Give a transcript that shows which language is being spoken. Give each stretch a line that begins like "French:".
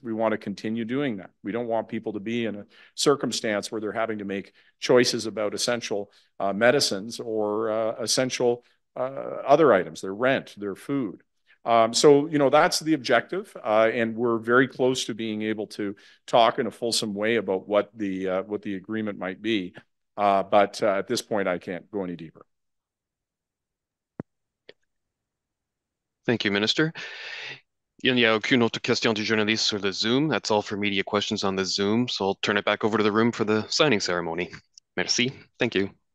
English: We want to continue doing that. We don't want people to be in a circumstance where they're having to make choices about essential medicines or essential other items, their rent, their food. So, you know, that's the objective. And we're very close to being able to talk in a fulsome way about what the agreement might be. But at this point, I can't go any deeper. Thank you, Minister.
French: Il n'y a aucune autre question du journaliste sur le Zoom.
English: That's all for media questions on the Zoom. So I'll turn it back over to the room for the signing ceremony.
French: Merci.
English: Thank you.